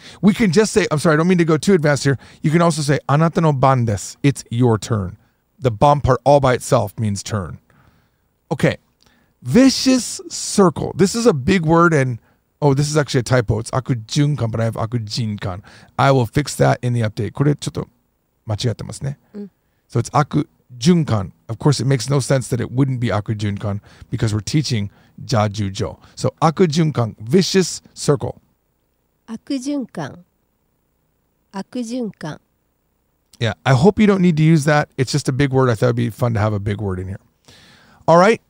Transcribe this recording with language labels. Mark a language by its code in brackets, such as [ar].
[en] We can just say, I'm sorry, I don't mean to go too advanced here. You can also say, [ja] anata no ban desu. [en] It's your turn. The ban part all by itself means turn. Okay. Vicious circle. This is a big word, and oh, this is actually a typo. It's akujunkan, but I have akujinkan. I will fix that in the update. [ja] これちょっと間違ってますね。 [en] So it's akujunkan. Of course, it makes no sense that it wouldn't be akujunkan because we're teaching ja, ju, jo. So akujunkan, vicious circle. [ja] 悪循環. [en] Yeah, I hope you don't need to use that. It's just a big word. I thought it'd be fun to have a big word in here. All right.